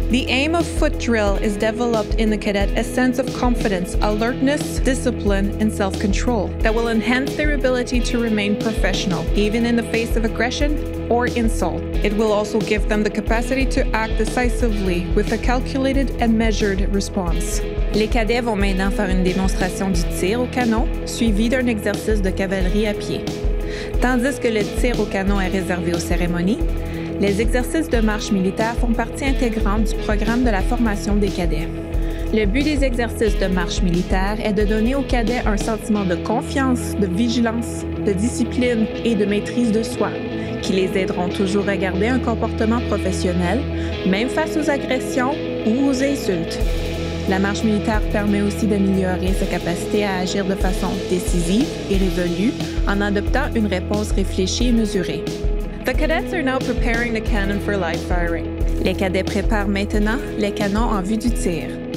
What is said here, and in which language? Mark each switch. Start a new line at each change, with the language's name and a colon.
English: The aim of foot drill is developed in the cadet a sense of confidence, alertness, discipline, and self-control that will enhance their ability to remain professional, even in the face of aggression or insult. It will also give them the capacity to act decisively with a calculated and measured response.
French: Les cadets vont maintenant faire une démonstration du tir au canon, suivie d'un exercice de cavalerie à pied. Tandis que le tir au canon est réservé aux cérémonies, les exercices de marche militaire font partie intégrante du programme de la formation des cadets. Le but des exercices de marche militaire est de donner aux cadets un sentiment de confiance, de vigilance, de discipline et de maîtrise de soi, qui les aideront toujours à garder un comportement professionnel, même face aux agressions ou aux insultes. La marche militaire permet aussi d'améliorer sa capacité à agir de façon décisive et résolue en adoptant une réponse réfléchie et mesurée.
English: The cadets are now preparing the cannon for live firing.
French: Les cadets préparent maintenant les canons en vue du tir.